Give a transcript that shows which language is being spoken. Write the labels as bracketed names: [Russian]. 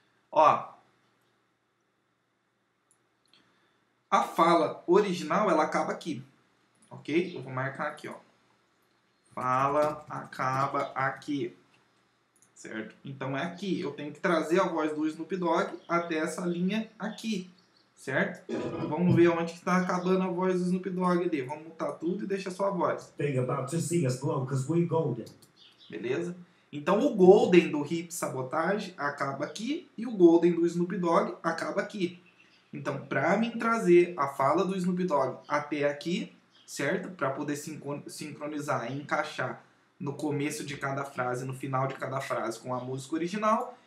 [Portuguese] Ó, a fala original, ela acaba aqui, ok? Eu vou marcar aqui, ó. Fala acaba aqui, certo? Então é aqui, eu tenho que trazer a voz do Snoop Dogg até essa linha aqui, certo? Então vamos ver onde que tá acabando a voz do Snoop Dogg ali. Vamos mutar tudo e deixar só a voz. [English] They about to see us glow, 'cause we golden. [Portuguese] Beleza? Então o Golden do Hip Sabotage acaba aqui e o Golden do Snoop Dogg acaba aqui. Então, para mim trazer a fala do Snoop Dogg até aqui, certo? Para poder sincronizar e encaixar no começo de cada frase, no final de cada frase com a música original.